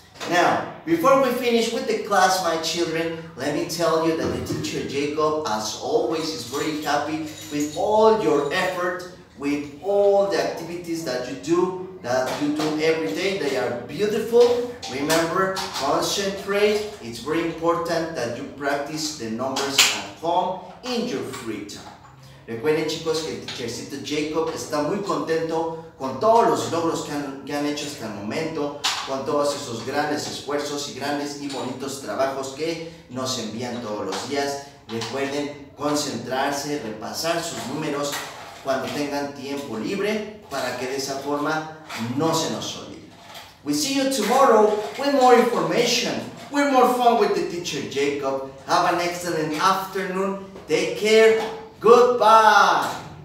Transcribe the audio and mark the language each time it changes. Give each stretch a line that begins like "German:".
English: Now, before we finish with the class, my children, let me tell you that the teacher Jacob, as always, is very happy with all your effort, with all the activities that you do every day. They are beautiful. Remember, concentrate. It's very important that you practice the numbers at home in your free time.
Spanish: Recuerden, chicos, que el teachercito Jacob está muy contento con todos los logros que han hecho hasta el momento, con todos esos grandes esfuerzos y grandes y bonitos trabajos que nos envían todos los días. Recuerden concentrarse, repasar sus números cuando tengan tiempo libre para que de esa forma no se nos olvide.
English: We see you tomorrow with more information, with more fun with the teacher Jacob. Have an excellent afternoon. Take care. Goodbye.